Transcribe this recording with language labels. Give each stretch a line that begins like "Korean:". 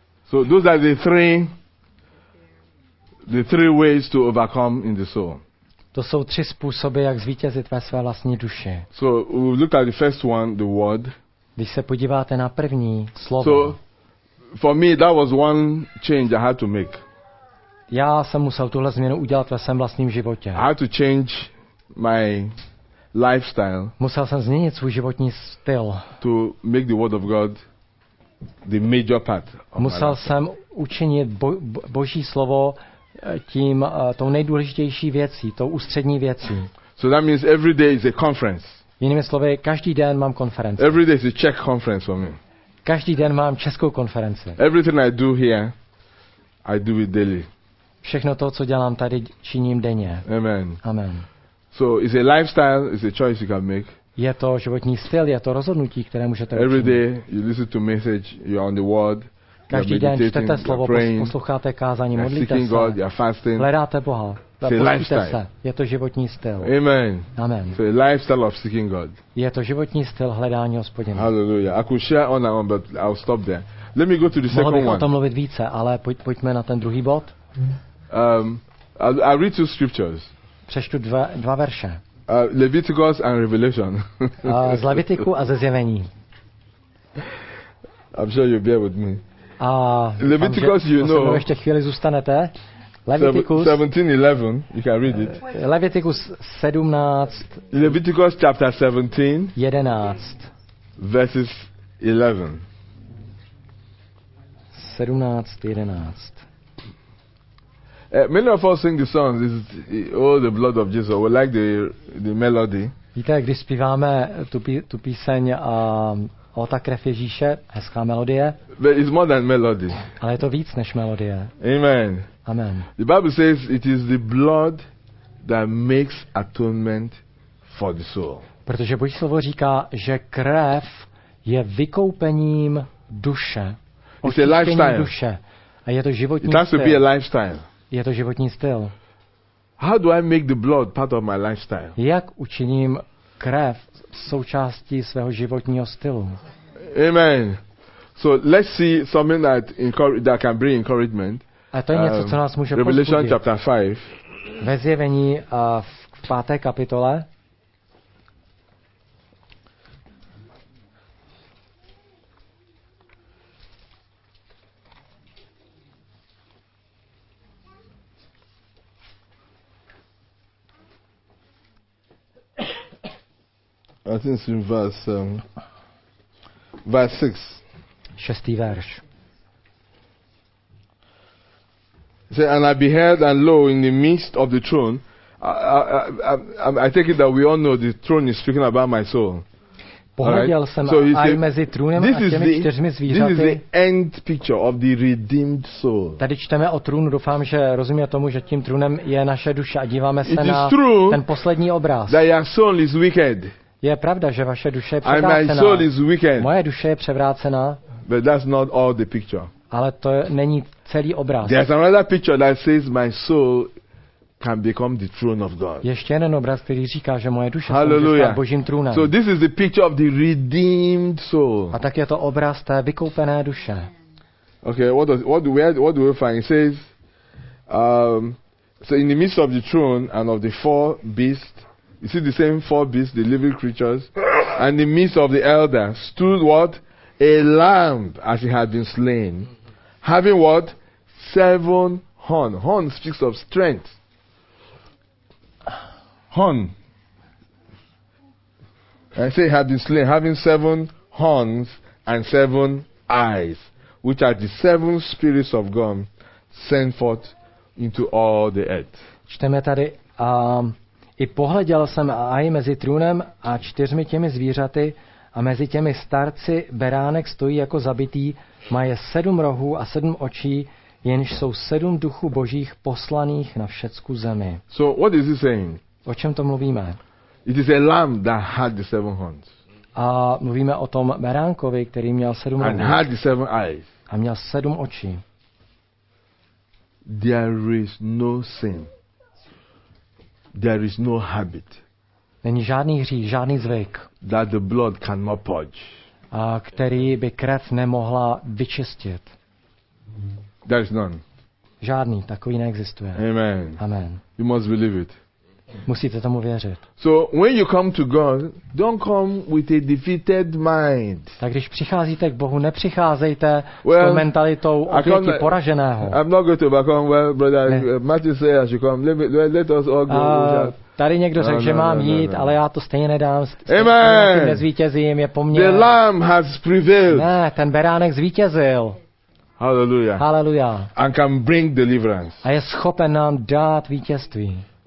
English: So those are the three ways to overcome in the soul.
Czech: To jsou tři způsoby, jak zvítězit ve své vlastní duši.
English: So we look at the first one, the word.
Czech: Když se podíváte na první, slovo.
English: So for me that was one change I had to make.
Czech: Já jsem musel tuhle změnu udělat ve svém vlastním životě.
English: I had to change my lifestyle.
Czech: Musel jsem změnit svůj životní styl.
English: To make the word of God the major part.
Czech: Musel jsem učinit Boží slovo tím tou nejdůležitější věcí, tou ústřední věcí.
English: So that means every day is a conference.
Czech: Jinými slovy, každý den mám konferenci.
English: Every day is a Czech conference for me.
Czech: Každý den mám českou konferenci.
English: Everything I do here, I do it daily.
Czech: Všechno to, co dělám tady, činím denně.
English: Amen.
Czech: Amen.
English: So it's a lifestyle, it's a choice you can make.
Czech: Je to životní styl, je to rozhodnutí, které můžete učinit.
English: Every day you listen to message, you're on the word.
Czech: Každý den čtete slovo, posloucháte kázání, modlíte se,
English: God, you're fasting.
Czech: Hledáte Boha. Modlíte se. Je to životní styl.
English: Amen.
Czech: Amen.
English: So a lifestyle of seeking God.
Czech: Je to životní styl hledání Hospodina.
English: Hallelujah. I could share on and on, but I'll stop there. Let me go to the second one.
Czech: Mohl bych o tom mluvit více, ale pojďme na ten druhý bod.
English: I'll read two scriptures.
Czech: Přečtu dva verše.
English: Leviticus and Revelation.
Czech: Z Levitiku a ze Zjevení.
English: I'm sure you'll bear with me.
Czech: A
English: Leviticus, you know.
Czech: Se ještě chvíli zůstanete.
English: Leviticus 17:11, you can read it. Leviticus 17. Leviticus chapter 17. 11. Verses 11. 17:11. Many of us sing the songs, it's the blood of Jesus. We like the melody.
Czech: Víte, když zpíváme tu píseň o ta krev Ježíše, hezká melodie.
English: But it's more than melody.
Czech: Ale je to víc než melodie.
English: Amen.
Czech: Amen.
English: The Bible says it is the blood that makes atonement for the soul.
Czech: Protože Boží slovo říká, že krev je vykoupením duše.
English: It's a lifestyle.
Czech: Duše. A je to životní
English: It has to be a lifestyle.
Czech: Je to životní styl.
English: How do I make the blood part of my lifestyle?
Czech: Jak učiním krev součástí svého životního stylu?
English: Amen. So let's see something that can bring encouragement.
Czech: A to je něco, co nás může povzbudit.
English: Revelation chapter 5.
Czech: Ve Zjevení v 5. kapitole.
English: I think it's in verse 6.
Czech: Šestý verš.
English: It says, and I beheld, and lo, in the midst of the throne, I take it that we all know the throne is speaking about my soul.
Czech: Pohleděl jsem aj mezi trůnem a těmi čtyřmi zvířaty.
English: This is the end picture of the redeemed soul.
Czech: Tady čteme o trůnu, doufám, že rozumíte tomu, že tím trůnem je naše duše a díváme se na ten poslední obraz.
English: That your soul is wicked.
Czech: Je pravda, že vaše duše je převrácená.
English: And my soul is wicked.
Czech: Moje duše je převrácená.
English: But that's not all the picture.
Czech: Ale to není celý obraz.
English: There's another picture that says my soul can become the throne of God.
Czech: Ještě jeden obraz, který říká, že moje duše se může stát Božím trůnem.
English: So this is the picture of the redeemed soul.
Czech: A tak je to obraz té vykoupené duše.
English: Okay, what do we find? It says, so in the midst of the throne and of the four beasts, you see the same four beasts, the living creatures, and in the midst of the elder stood what? A lamb as it had been slain, having what? Seven horns. Horn speaks of strength. Horn. I say had been slain, having seven horns and seven eyes, which are the seven spirits of God sent forth into all the earth.
Czech: Čteme tady, i pohleděl jsem aj mezi trůnem a čtyřmi těmi zvířaty a mezi těmi starci beránek stojí jako zabitý, má je sedm rohů a sedm očí, jenž jsou sedm duchů božích poslaných na všecku zemi.
English: So what is he saying?
Czech: O čem to mluvíme?
English: It is a lamb that had the seven horns.
Czech: A mluvíme o tom beránkovi, který měl sedm rohů.
English: And had the seven eyes.
Czech: A měl sedm očí.
English: There is no sin. There is no habit.
Czech: Není žádný hřích, žádný zvyk.
English: That the blood cannot purge.
Czech: A který by krev nemohla vyčistit.
English: There is none.
Czech: Žádný takový neexistuje.
English: Amen.
Czech: Amen.
English: You must believe it.
Czech: Musíte tomu věřit.
English: So when you come to God, don't come with a defeated mind.
Czech: Tak když přicházíte k Bohu, nepřicházejte s tou mentalitou oběti poraženého.
English: I'm not going to come, well, brother. Matthew says, "As you come, let us all go."
Czech: Tady někdo řekl, že mám jít, ale já to stejně nedám.
English: Amen.
Czech: Tím nezvítězím, je po mně.
English: The lamb has prevailed.
Czech: Ne, ten beránek zvítězil.
English: Hallelujah.
Czech: Hallelujah.
English: And can bring deliverance.
Czech: A je schopen nám dát vítězství.